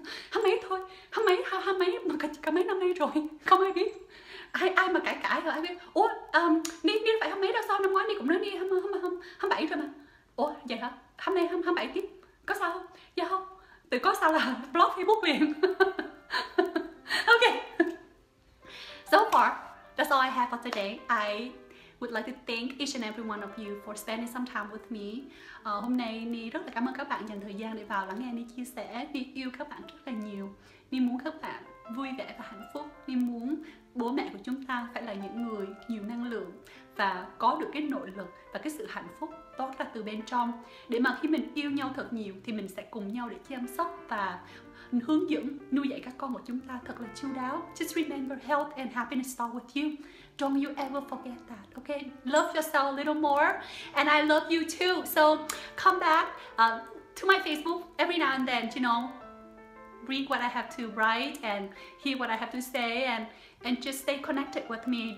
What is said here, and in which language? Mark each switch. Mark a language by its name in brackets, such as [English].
[Vietnamese] Hăm ấy thôi, hăm ấy mà cả mấy năm nay rồi không ai biết. Ai mà cãi rồi ai biết. Ủa, Ni phải hăm mấy đâu, sao năm ngoái Ni cũng nói Ni hăm 7 rồi mà. Ủa, vậy hả? Hôm nay hăm 7 tiếp. Có sao không? Dạ không. Từ có sao là blog Facebook liền. [English] Ok. So far, that's all I have for today. I would like to thank each and every one of you for spending some time with me. [Vietnamese] Hôm nay Ni rất là cảm ơn các bạn dành thời gian để vào lắng nghe Ni chia sẻ. Ni yêu các bạn rất là nhiều. Ni muốn các bạn vui vẻ và hạnh phúc. Ni muốn bố mẹ của chúng ta phải là những người nhiều năng lượng và có được cái nội lực và cái sự hạnh phúc toát ra từ bên trong, để mà khi mình yêu nhau thật nhiều thì mình sẽ cùng nhau để chăm sóc và hướng dẫn nuôi dạy các con của chúng ta thật là chu đáo. [English] Just remember health and happiness start with you. Don't you ever forget that, okay? Love yourself a little more and I love you too. So come back to my Facebook every now and then, you know. Read what I have to write and hear what I have to say and just stay connected with me.